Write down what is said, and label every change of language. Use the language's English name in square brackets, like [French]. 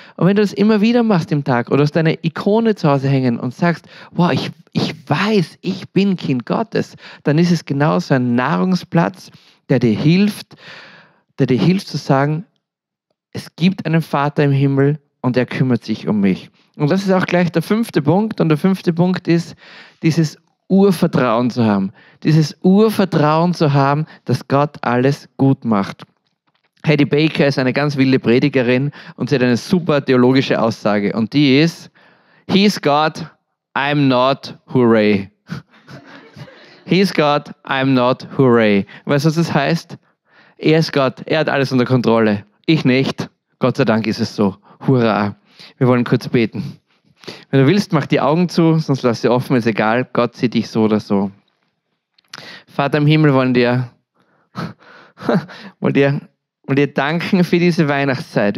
[German] Und wenn du das immer wieder machst im Tag oder hast deine Ikone zu Hause hängen und sagst, wow, ich weiß, ich bin Kind Gottes, dann ist es genauso ein Nahrungsplatz, der dir hilft zu sagen, es gibt einen Vater im Himmel und er kümmert sich um mich. Und das ist auch gleich der fünfte Punkt. Und der fünfte Punkt ist, dieses Urvertrauen zu haben. Dieses Urvertrauen zu haben, dass Gott alles gut macht. Hattie Baker ist eine ganz wilde Predigerin und sie hat eine super theologische Aussage. Und die ist, [English] He's God, I'm not, hooray. He's God, I'm not, hooray. [German] Weißt du, was das heißt? Er ist Gott, er hat alles unter Kontrolle. Ich nicht. Gott sei Dank ist es so. Hurra. Wir wollen kurz beten. Wenn du willst, mach die Augen zu, sonst lass sie offen, ist egal. Gott sieht dich so oder so. Vater im Himmel, wollen dir danken für diese Weihnachtszeit.